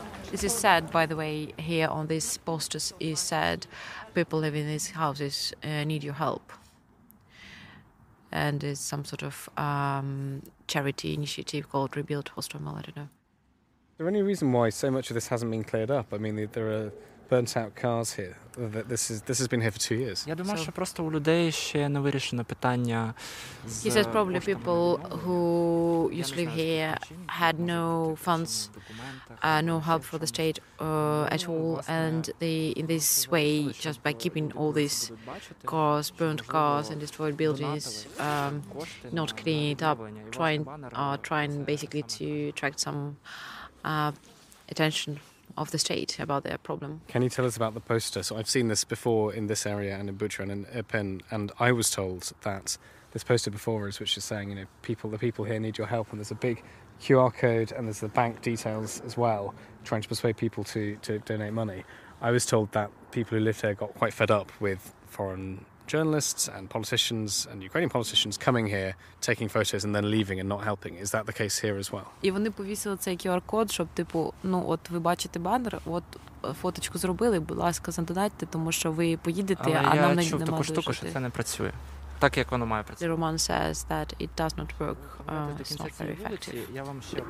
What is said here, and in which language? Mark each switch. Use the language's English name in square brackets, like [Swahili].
[English] This is sad, by the way, here on this poster is said, people living in these houses need your help. And it's some sort of charity initiative called Rebuild Hostomel, I don't know. Is there any reason why so much of this hasn't been cleared up? I mean, there are burnt out cars here. This has been here for 2 years. [Ukrainian] Я думаю, що просто у людей ще не вирішено питання. [English] He says probably people who used to live here had no funds, no help for the state at all, and they, in this way, just by keeping all these cars, burnt cars and destroyed buildings, not cleaning it up, trying basically to attract some attention of the state about their problem. Can you tell us about the poster? So I've seen this before in this area and in Bucha and in Irpin, and I was told that this poster before us, which is saying, you know, the people here need your help, and there's a big QR code and there's the bank details as well, trying to persuade people to donate money. I was told that people who lived here got quite fed up with foreign journalists and politicians and Ukrainian politicians coming here, taking photos and then leaving and not helping. Is that the case here as well? [Ukrainian] І вони повісили цей QR-код, щоб, типу, ну, от ви бачите банер, от фоточку зробили, будь ласка, задонатьте, тому що ви поїдете, а нам не чув таку штуку, що це не працює. Так, як воно має працювати. [English] The Roman says that it does not work, it's not very effective.